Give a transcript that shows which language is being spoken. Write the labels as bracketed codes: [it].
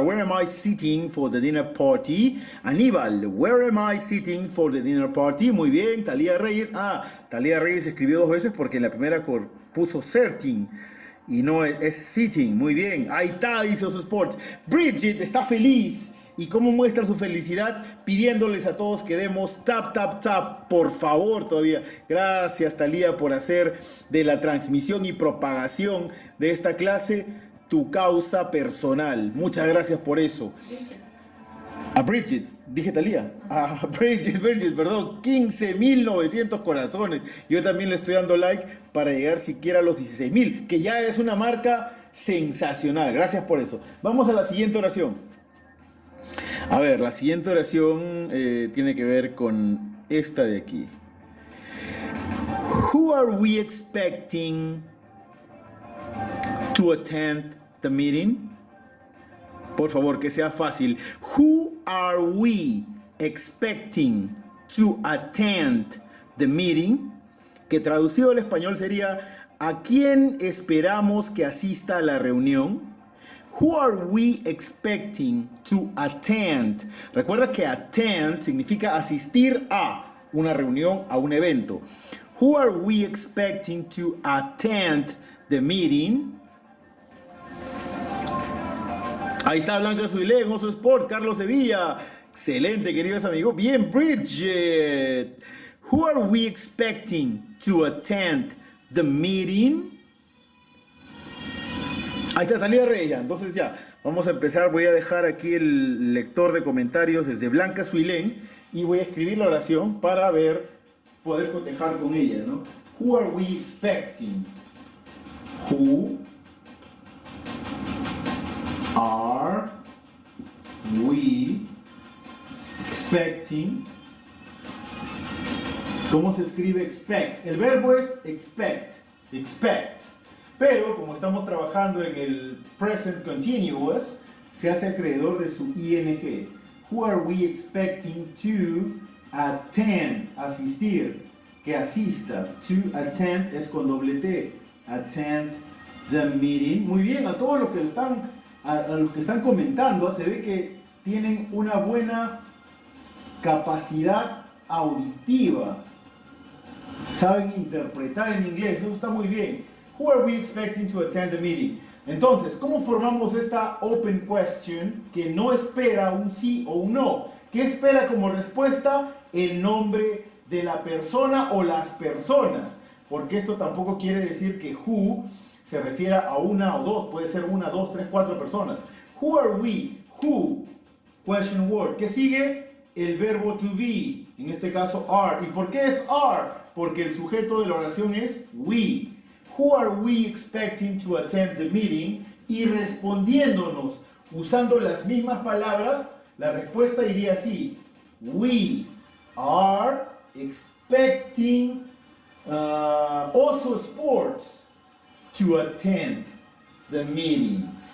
[en] Where am I sitting for the dinner party? Aníbal, where am I sitting for the dinner party? [es] Muy bien, Talía Reyes. Ah, Talía Reyes escribió dos veces porque en la primera puso certain. Y no, es sitting. Muy bien. Ahí está, dice Oso Sports. Bridget está feliz. ¿Y cómo muestra su felicidad? Pidiéndoles a todos que demos tap, tap, tap, por favor, todavía. Gracias, Talía, por hacer de la transmisión y propagación de esta clase tu causa personal. Muchas gracias por eso. A Bridget, dije Talía. A Bridget, perdón, 15.900 corazones. Yo también le estoy dando like para llegar siquiera a los 16.000, que ya es una marca sensacional. Gracias por eso. Vamos a la siguiente oración. A ver, la siguiente oración tiene que ver con esta de aquí. [en] Who are we expecting to attend the meeting? [es] Por favor, que sea fácil. [en] Who are we expecting to attend the meeting? [es] Que traducido al español sería, ¿a quién esperamos que asista a la reunión? [en] Who are we expecting to attend? [es] Recuerda que attend significa asistir a una reunión, a un evento. [en] Who are we expecting to attend the meeting? [es] Ahí está Blanca Zuilén, Oso Sport, Carlos Sevilla. Excelente, queridos amigos. [en] Bien, Bridget. Who are we expecting to attend the meeting? [es] Ahí está Talía Reyes, entonces ya, vamos a empezar, voy a dejar aquí el lector de comentarios desde Blanca Suilén y voy a escribir la oración para ver, poder cotejar con ella, ¿no? [en] Who are we expecting? Who are we expecting? [es] ¿Cómo se escribe expect? El verbo es expect, expect. Pero como estamos trabajando en el present continuous, se hace acreedor de su ING. [en] Who are we expecting to attend? [es] Asistir. Que asista. [en] To attend [es] es con doble [en] T. Attend the meeting. [es] Muy bien, a todos los que están, a los que están comentando, se ve que tienen una buena capacidad auditiva. Saben interpretar en inglés. Eso está muy bien. [en] Who are we expecting to attend the meeting? [es] Entonces, ¿cómo formamos esta open question que no espera un sí o un no? ¿Qué espera como respuesta? El nombre de la persona o las personas. Porque esto tampoco quiere decir que who se refiera a una o dos. Puede ser una, dos, tres, cuatro personas. [en] Who are we? Who? Question word. [es] ¿Qué sigue? El verbo to be. En este caso, are. ¿Y por qué es are? Porque el sujeto de la oración es we. [en] Who are we expecting to attend the meeting? [es] Y respondiéndonos usando las mismas palabras, la respuesta iría así. [en] We are expecting Oso Sports to attend the meeting.